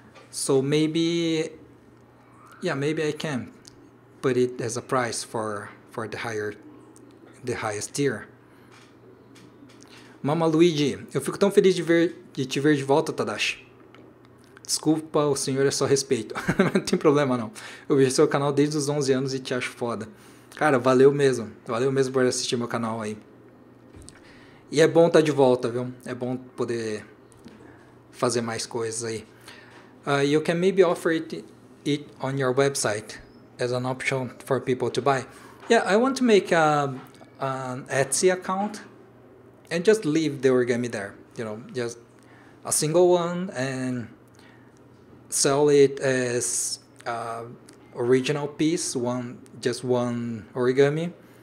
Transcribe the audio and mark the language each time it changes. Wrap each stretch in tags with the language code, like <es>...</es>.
<en>So maybe I can put it as a prize for the highest tier.</en> <pt>Mama Luigi, eu fico tão feliz de te ver de volta, Tadashi. Desculpa, o senhor é só respeito. Não tem problema, não. Eu vejo seu canal desde os 11 anos e te acho foda. Cara, valeu mesmo. Valeu mesmo por assistir meu canal aí. E é bom estar de volta, viu? É bom poder fazer mais coisas aí.</pt> <en>You can maybe offer it on your website as an option for people to buy. Yeah, I want to make an Etsy account and just leave the origami there. You know, just a single one and sell it as an original piece, just one origami.</en>